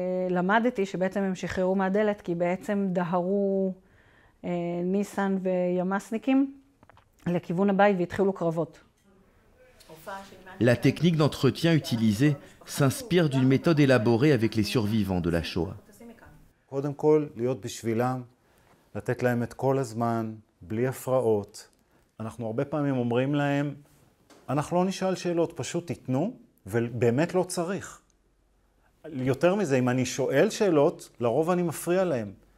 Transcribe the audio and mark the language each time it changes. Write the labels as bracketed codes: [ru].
[he] למדתי שבעצם הם שחררו מהדלת כי בעצם דהרו ניסן וימסניקים לכיוון הבית והתחילו קרבות. [fr] La technique d'entretien utilisée s'inspire d'une méthode élaborée avec les survivants de la Shoah. [he] קודם כל, להיות בשבילם, לתת להם את כל הזמן, בלי הפרעות. אנחנו הרבה פעמים אומרים להם, אנחנו לא נשאל שאלות, פשוט תיתנו, ובאמת לא צריך. יותר מזה, אם אני שואל שאלות, לרוב אני מפריע להם.